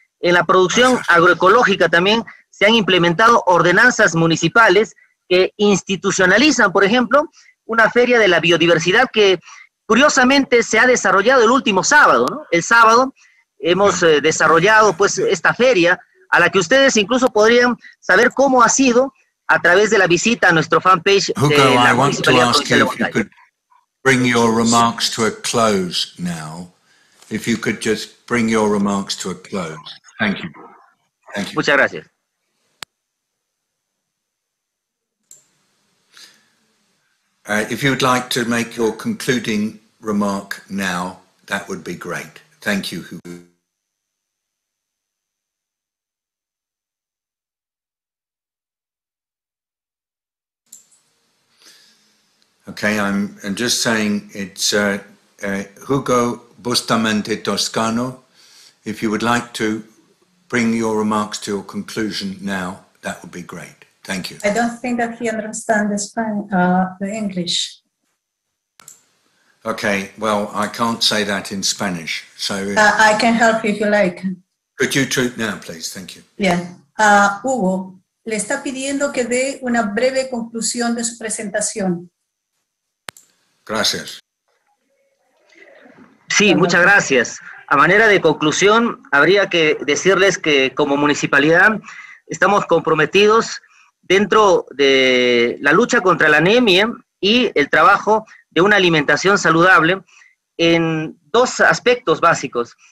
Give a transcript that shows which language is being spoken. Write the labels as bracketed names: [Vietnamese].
[Spanish] En la producción agroecológica también se han implementado ordenanzas municipales que institucionalizan, por ejemplo, una feria de la biodiversidad que curiosamente se ha desarrollado el último sábado, ¿no? El sábado hemos desarrollado pues esta feria a la que ustedes incluso podrían saber cómo ha sido a través de la visita a nuestro fanpage. [English] Hugo, I want to ask you if you could bring your remarks to a close now. If you could just bring your remarks to a close. Thank you. Thank you. [Spanish] Muchas gracias. [English] If you'd like to make your concluding remark now, that would be great. Thank you, Hugo. Okay, I'm just saying it's Hugo Bustamante Toscano. If you would like to bring your remarks to your conclusion now, that would be great. Thank you. I don't think that he understands the English. Okay, well, I can't say that in Spanish. So I can help if you like. Could you treat now, please? Thank you. Yeah. [Spanish] Hugo le está pidiendo que dé una breve conclusión de su presentación. Gracias. Sí, muchas gracias. A manera de conclusión, habría que decirles que como municipalidad estamos comprometidos dentro de la lucha contra la anemia y el trabajo de una alimentación saludable en dos aspectos básicos.